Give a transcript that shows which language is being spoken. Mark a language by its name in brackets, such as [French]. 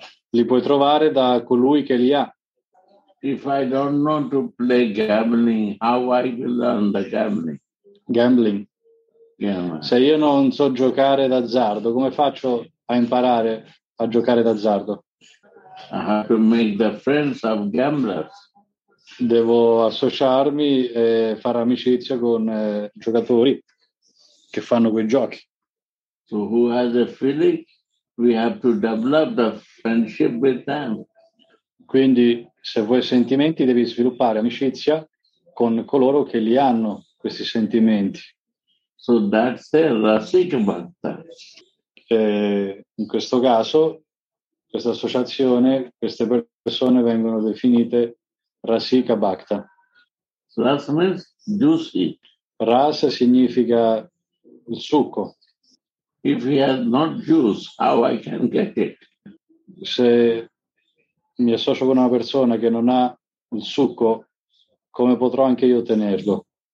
[Italian] Li puoi trovare da colui che li ha. [English] If I don't know to play gambling, how I will learn the gambling? Gambling. [Italian] Se io non so giocare d'azzardo, come faccio a imparare a giocare d'azzardo? [English] I have to make the friends of gamblers. [Italian] Devo associarmi e fare amicizia con giocatori che fanno quei giochi. [English] So who has a feeling, we have to develop the friendship with them. [Italian] Quindi se vuoi sentimenti devi sviluppare amicizia con coloro che li hanno questi sentimenti. [English] So that's the rasik bhakta. [Italian] In questo caso, questa associazione, queste persone vengono definite rasika bhakta. [English] Ras means juicy. [Italian] Ras significa il succo. [English] If he has not juice, how I can get it? [Italian] Se mi associo con una persona che non ha il succo, come potrò anche io ottenerlo?